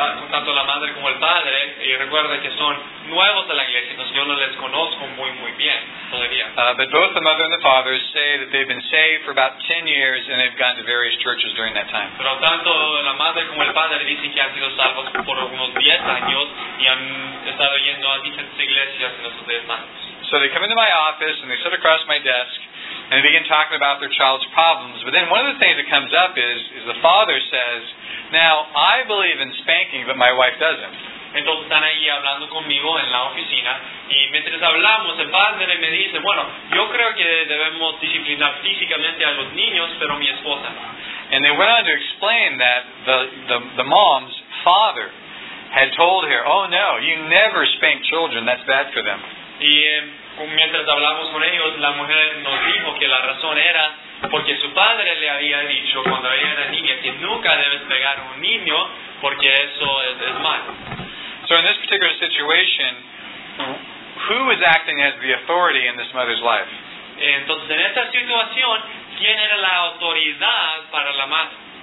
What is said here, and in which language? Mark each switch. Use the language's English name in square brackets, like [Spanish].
[Spanish] Tanto la madre como el padre, y recuerda que son nuevos a la iglesia, entonces yo no les conozco muy muy bien todavía. [English] But both the mother and the father say that they've been saved for about 10 years and they've gone to various churches during that time. [Spanish] Pero tanto la madre como el padre dicen que han sido salvos por unos 10 años y han estado yendo a diferentes iglesias en esos 10 años. [English] So they come into my office and they sit across my desk and they begin talking about their child's problems. But then one of the things that comes up is the father says, "Now, I believe in spanking, but my wife doesn't." [Spanish] Entonces están ahí hablando conmigo en la oficina y mientras hablamos el padre me dice, "Bueno, yo creo que debemos disciplinar físicamente a los niños, pero mi esposa no." [English] And they went on to explain that the mom's father had told her, "Oh no, you never spank children. That's bad for them." [Spanish] Y mientras hablamos con ellos, la mujer nos dijo que la razón era porque su padre le había dicho cuando ella era niña que nunca debes pegar a un niño porque eso es malo. [English] So in this particular situation, who is acting as the authority in this mother's life? [Spanish] Entonces en esta situación, ¿quién era la autoridad para la madre?